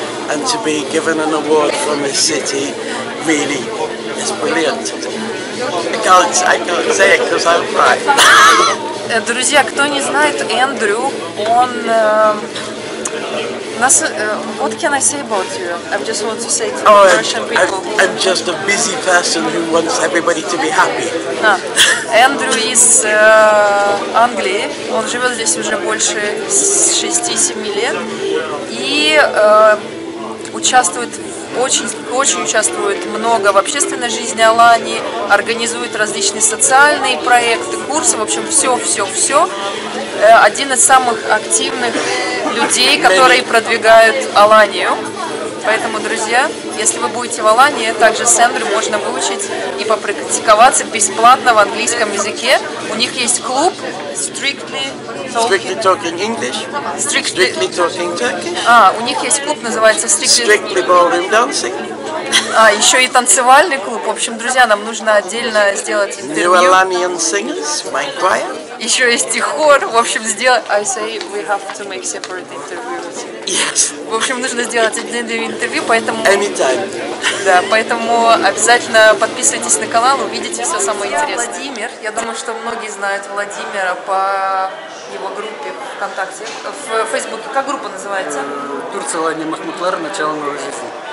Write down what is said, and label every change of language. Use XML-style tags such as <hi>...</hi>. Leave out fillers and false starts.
<en>And to be given an award from this city, really, is brilliant. I can't say it because I'm right.</en> <ru>Друзья, кто не знает Эндрю, он нас.</ru> <en>What can I say about you? I just want to say to the Russian people. I'm just a busy person who wants everybody to be happy.</en> <ru>Эндрю из Англии. Он живет здесь уже больше 6-7 лет и участвует. Очень участвует много в общественной жизни Алании, организует различные социальные проекты, курсы, в общем, все. Один из самых активных людей, которые продвигают Аланию. Поэтому, друзья, если вы будете в Алании, также Сэндрю можно выучить и попрактиковаться бесплатно в английском языке. У них есть клуб</ru> <en>Strictly Talking English.</en> <ru>У них есть клуб, называется</ru> <en>Strictly Ballroom Dancing.</en> <ru>А, еще и танцевальный клуб. В общем, друзья, нам нужно отдельно сделать интервью.</ru> <en>New Alanian Singers, my choir.</en> <ru>Еще есть и хор. В общем, сделать...</ru> <en>I say we have to make separate interviews. Yes.</en> <ru>В общем, нужно сделать отдельное интервью, поэтому...</ru> <en>Anytime.</en> <ru>Да, поэтому обязательно подписывайтесь на канал, увидите все самое интересное. Я Владимир. Я думаю, что многие знают Владимира по его группе ВКонтакте, в Фейсбуке. Как группа называется? Турция Алани Махмутлар, начало новой жизни.</ru>